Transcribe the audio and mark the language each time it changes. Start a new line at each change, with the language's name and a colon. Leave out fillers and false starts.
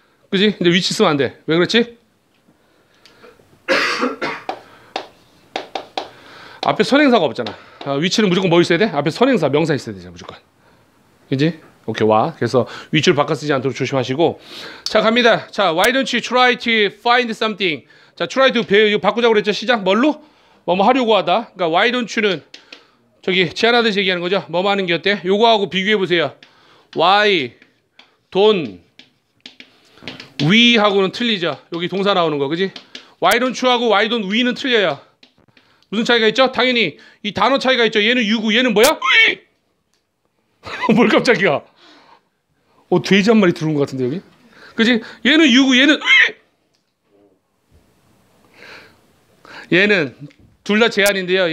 Korean: 그지? 근데 위치 쓰면 안 돼. 왜 그렇지? 앞에 선행사가 없잖아. 아, 위치는 무조건 뭐 있어야 돼? 앞에 선행사, 명사 있어야 되잖아, 무조건. 그지? 오케이, 와. 그래서 위치를 바꿔 쓰지 않도록 조심하시고. 자, 갑니다.
English: 자, why don't you try to find something?
Korean: 자, try to 이거 바꾸자고 그랬죠? 시작. 뭘로? 뭐뭐 하려고 하다. 그러니까
English: why don't you
Korean: 는 저기 제안하듯이 얘기하는 거죠. 뭐뭐 하는 게 어때? 요거하고 비교해 보세요.
English: why don't we
Korean: 하고는 틀리죠. 여기 동사 나오는 거. 그지?
English: why don't you하고 why don't we
Korean: 는 틀려요. 무슨 차이가 있죠? 당연히 이 단어 차이가 있죠. 얘는 유구, 얘는 뭐야? 뭘 갑자기야? 어, 돼지 한 마리 들어온 것 같은데 여기? 그치? 얘는 유구, 얘는 얘는 둘 다 제안인데요.